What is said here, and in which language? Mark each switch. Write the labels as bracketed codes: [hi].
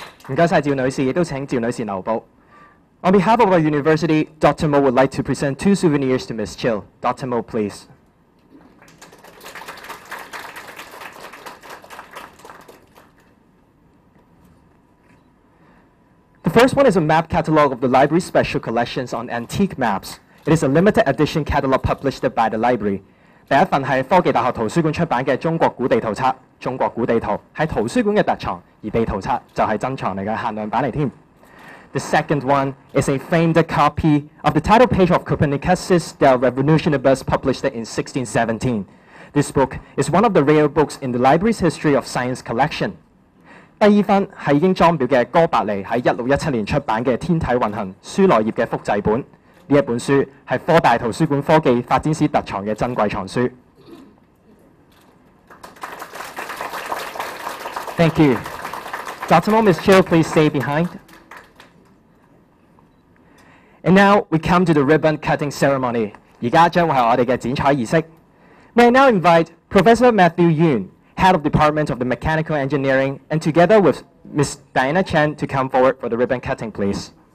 [yue] 唔該曬趙女士，亦都請趙女士留步。 [en] On behalf of our university, Dr. Mo would like to present two souvenirs to Ms. Chiu. Dr. Mo, please. The first one is a map catalog of the library's special collections on antique maps. It is a limited edition catalog published by the library. [yue] 第一份是科技大學圖書館出版的《中國古地圖冊》，中國古地圖是圖書館的特藏，而地圖冊就是珍藏來的限量版來添。 [en] The second one is a famed copy of the title page of Copernicus' Del Revolutionibus published in 1617. This book is one of the rare books in the library's history of science collection. [yue] 第二份是已經裝裱的哥白尼在1617年出版的《天體運行》書內頁的複製本。這本書是科大圖書館科技發展史特藏的珍貴藏書。 [en] Thank you. Dr. Mo, Ms. Chiu, please stay behind. And now we come to the ribbon cutting ceremony. [yue] 現在將會是我們的剪彩儀式。 [en] May I now invite Professor Matthew Yuan, Head of Department of the Mechanical Engineering, and together with Ms. Diana Chen to come forward for the ribbon cutting, please.